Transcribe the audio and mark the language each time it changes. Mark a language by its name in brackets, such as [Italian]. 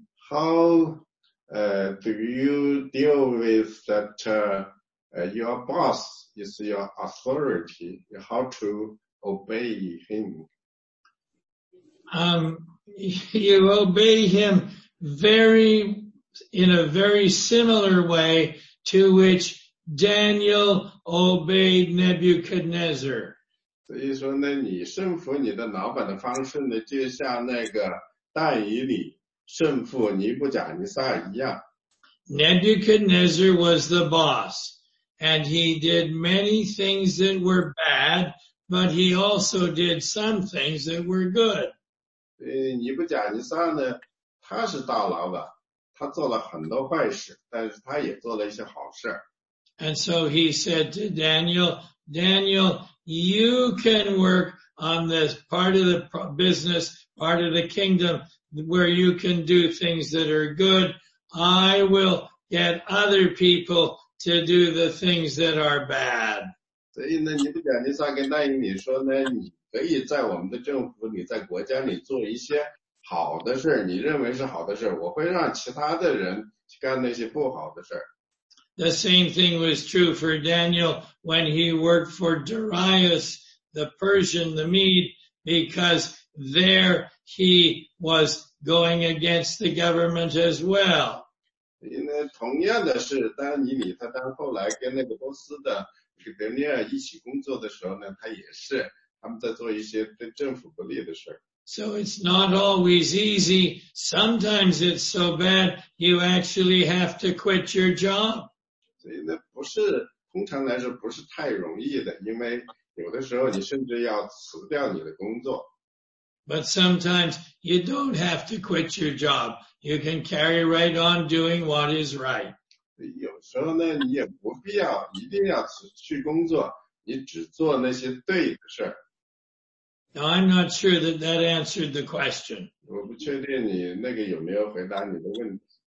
[English] Do you deal with that, your boss is your authority, how to obey him? You obey him in a very similar way to which Daniel obeyed Nebuchadnezzar. [Chinese] 所以说呢，你顺服你的老板的方式呢，就像那个但以理顺服尼布甲尼撒一样。 [English] Nebuchadnezzar was the boss, and he did many things that were bad, but he also did some things that were good. [Chinese] 尼布甲尼撒呢，他是大老板，他做了很多坏事，但是他也做了一些好事。 [English] And so he said to Daniel, Daniel, you can work on this part of the business, part of the kingdom,where you can do things that are good, I will get other people to do the things that are bad. [Chinese] 所以呢，尼布甲尼撒跟大英你说呢，你可以在我们的政府里，在国家里做一些好的事，你认为是好的事，我会让其他的人去干那些不好的事。 [English] The same thing was true for Daniel when he worked for Darius, the Persian, the Mede, because there he was going against the government as well. [Chinese] 同样的是丹尼里他当后来跟那个波斯的德尼尔一起工作的时候呢，他也是他们在做一些对政府不利的事。 [English] So it's not always easy. Sometimes it's so bad you actually have to quit your job. [Chinese] 所以呢不是通常来说不是太容易的，因为有的时候你甚至要辞掉你的工作。 [English] But sometimes you don't have to quit your job. You can carry right on doing what is right. [Chinese] 有时候呢，你也不必要一定要去工作，你只做那些对的事。 [English] Now I'm not sure that that answered the question. [Chinese] 我不确定你那个有没有回答你的问题。